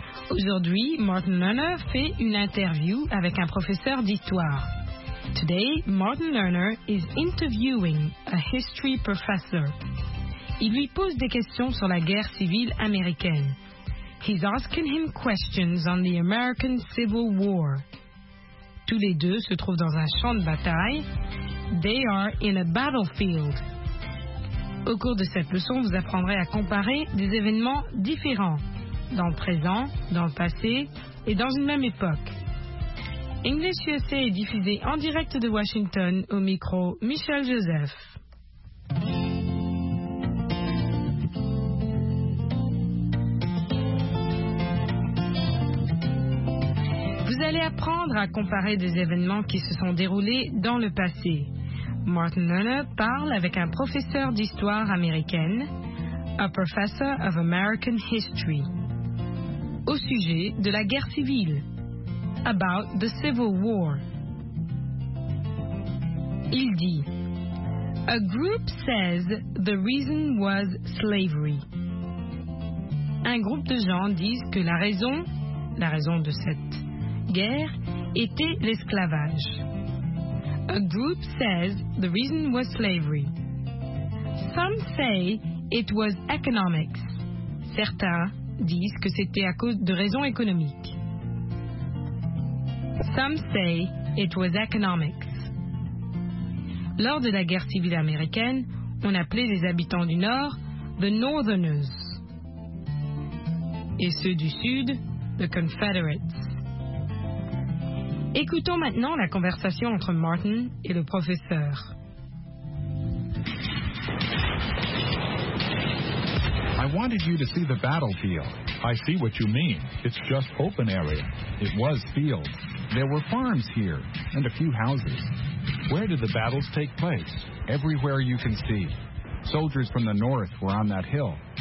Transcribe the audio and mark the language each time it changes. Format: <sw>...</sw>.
<fr>Aujourd'hui, Martin Lerner fait une interview avec un professeur d'histoire.</fr> <en>Today, Martin Lerner is interviewing a history professor.</en> <fr>Il lui pose des questions sur la guerre civile américaine.</fr> <en>He's asking him questions on the American Civil War.</en> <fr>Tous les deux se trouvent dans un champ de bataille.</fr> <en>They are in a battlefield.</en> <fr>Au cours de cette leçon, vous apprendrez à comparer des événements différents, dans le présent, dans le passé et dans une même époque. English USA est diffusé en direct de Washington au micro Michel Joseph. Vous allez apprendre à comparer des événements qui se sont déroulés dans le passé. Martin Lerner parle avec un professeur d'histoire américaine,</fr> <en>a professor of American history,</en> <fr>au sujet de la guerre civile.</fr> <en>About the Civil War.</en> <fr>Il dit,</fr> <en>a group says the reason was slavery.</en> <fr>Un groupe de gens disent que la raison de cette guerre était l'esclavage.</fr> <en>A group says the reason was slavery. Some say it was economics.</en> <fr>Certains disent que c'était à cause de raisons économiques.</fr> <en>Some say it was economics.</en> <fr>Lors de la guerre civile américaine, on appelait les habitants du Nord «</fr> <en>the Northerners</en> <fr>» et ceux du Sud «</fr> <en>the Confederates ».</en> <fr>Écoutons maintenant la conversation entre Martin et le professeur.</fr> <en>I wanted you to see the battlefield. I see what you mean. It's just open area. It was fields. There were farms here and a few houses. Where did the battles take place? Everywhere you can see. Soldiers from the north were on that hill.</en>